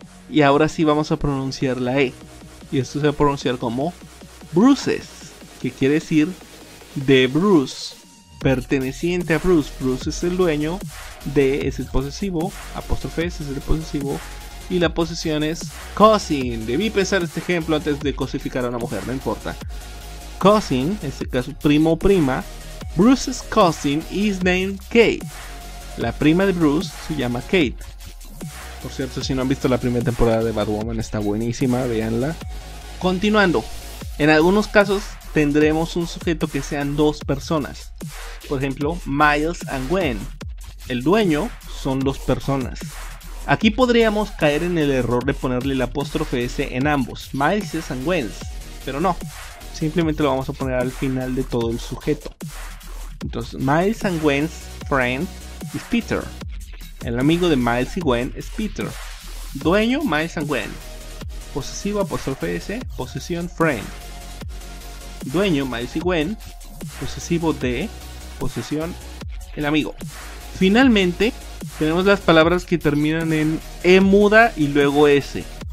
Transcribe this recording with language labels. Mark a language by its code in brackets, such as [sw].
[es] Y ahora sí vamos a pronunciar la E. Y esto se va a pronunciar como Bruce's, que quiere decir de Bruce. Perteneciente a Bruce. Bruce es el dueño. De es el posesivo. Apóstrofe S es el posesivo. Y la posesión es cousin. Debí pensar este ejemplo antes de cosificar a una mujer, no importa. Cousin, en este caso primo o prima. [en] Bruce's cousin is named Kate. [es] La prima de Bruce se llama Kate. Por cierto, si no han visto la primera temporada de Batwoman, está buenísima, véanla. Continuando, en algunos casos tendremos un sujeto que sean dos personas. Por ejemplo, Miles and Gwen. El dueño son dos personas. Aquí podríamos caer en el error de ponerle el apóstrofe S en ambos, Miles and Gwen, pero no, simplemente lo vamos a poner al final de todo el sujeto. [en] Entonces, Miles and Gwen's friend is Peter. [es] El amigo de Miles y Gwen es Peter. Dueño, Miles and Gwen. Posesivo, apóstrofe S, posesión, friend. Dueño, Miles y Gwen. Posesivo de, posesión, el amigo. Finalmente, tenemos las palabras que terminan en E muda y luego S.